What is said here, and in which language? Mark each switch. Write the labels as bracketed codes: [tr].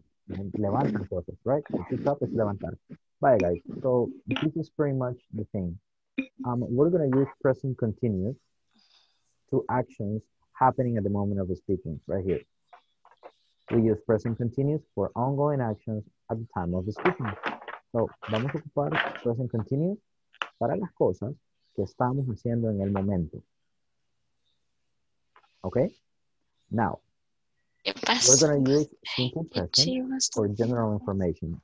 [es] Bueno, llego a las 7 de la mañana, depende del tráfico. Mi primera actividad es llevar las cartas, pick up, recoger. ¿Por qué creen que los pick up, como los conocemos ahí, se llaman así? Porque le echamos cosas atrás, pick up, levantan cosas, right? Pick up es levantar. [en] Bye, guys. So, this is pretty much the thing. We're going to use present continuous to actions happening at the moment of the speaking, right here. We use present continuous for ongoing actions at the time of the speaking. [es] So, vamos a ocupar present continuous para las cosas que estamos haciendo en el momento. [en] Okay? Now, we're going to use simple present for general information.